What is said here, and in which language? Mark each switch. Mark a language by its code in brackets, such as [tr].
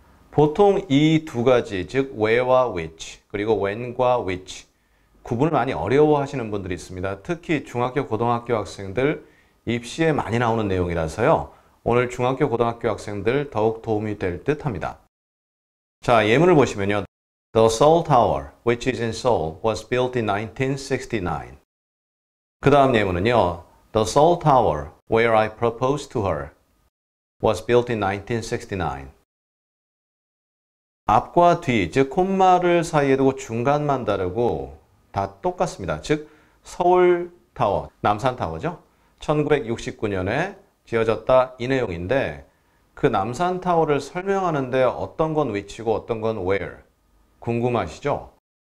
[ko] 보통 이 두 가지, 즉 [en] where와 which, [ko] 그리고 when과 which 구분을 많이 어려워하시는 분들이 있습니다. 특히 중학교, 고등학교 학생들 입시에 많이 나오는 내용이라서요. 오늘 중학교, 고등학교 학생들 더욱 도움이 될 듯합니다. 자, 예문을 보시면요. [en] The Seoul Tower, which is in Seoul, was built in 1969. [ko] 그 다음 예문은요. [en] The Seoul Tower, where I proposed to her, was built in 1969. [ko] 앞과 뒤, 즉 콤마를 사이에 두고 중간만 다르고 다 똑같습니다. 즉, 서울 타워, 남산 타워죠. 1969년에 지어졌다 이 내용인데 그 남산 타워를 설명하는데 어떤 건 위치고 어떤 건 [en] where [ko] 궁금하시죠?